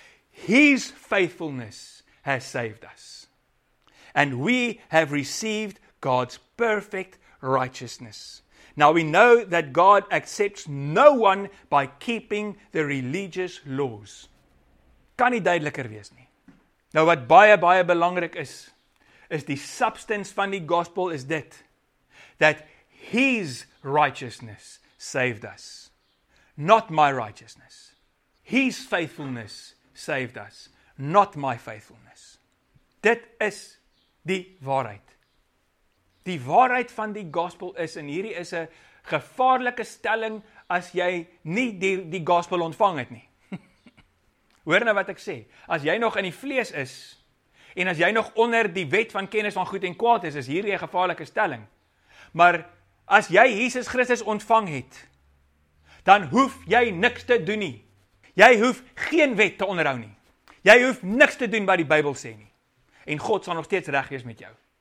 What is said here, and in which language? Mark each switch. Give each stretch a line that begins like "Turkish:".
English: His faithfulness has saved us. And we have received God's perfect righteousness. Now we know that God accepts no one by keeping the religious laws.
Afrikaans: Kan nie duideliker wees nie. Nou wat baie, baie belangrik is, is die substance van die gospel is dit.
English: That His righteousness saved us. Not my righteousness. His faithfulness saved us. Not my faithfulness.
Afrikaans: Dit is die waarheid. Die waarheid van die gospel is, en hierdie is 'n gevaarlike stelling as jy nie die gospel ontvang het nie. Hoor nou wat ek sê. As jy nog in die vlees is, en as jy nog onder die wet van kennis van goed en kwaad is, is hierdie 'n gevaarlike stelling. Maar as jy Jesus Christus ontvang het, dan hoef jy niks te doen nie. Jy hoef geen wet te onderhou nie. Jy hoef niks te doen wat die Bybel sê nie. En God sal nog steeds reg wees met jou.